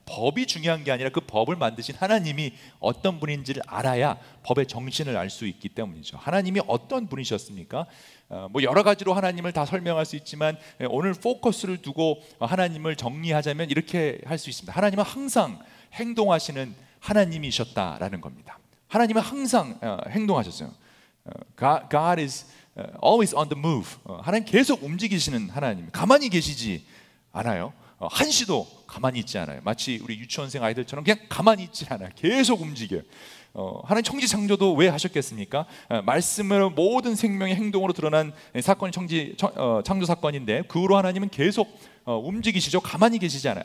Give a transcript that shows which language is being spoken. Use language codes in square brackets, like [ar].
[ko] 법이 중요한 게 아니라 그 법을 만드신 하나님이 어떤 분인지를 알아야 법의 정신을 알 수 있기 때문이죠. 하나님이 어떤 분이셨습니까? 뭐 여러 가지로 하나님을 다 설명할 수 있지만 오늘 포커스를 두고 하나님을 정리하자면 이렇게 할 수 있습니다. 하나님은 항상 행동하시는 하나님이셨다라는 겁니다. 하나님은 항상 행동하셨어요. [en] God is always on the move. [ko] 하나님 계속 움직이시는 하나님. 가만히 계시지 않아요. 한시도 가만히 있지 않아요. 마치 우리 유치원생 아이들처럼 그냥 가만히 있지 않아요. 계속 움직여요. 하나님 천지창조도 왜 하셨겠습니까? 말씀으로 모든 생명의 행동으로 드러난 사건이 창조 사건인데 그 후로 하나님은 계속 움직이시죠. 가만히 계시지 않아요.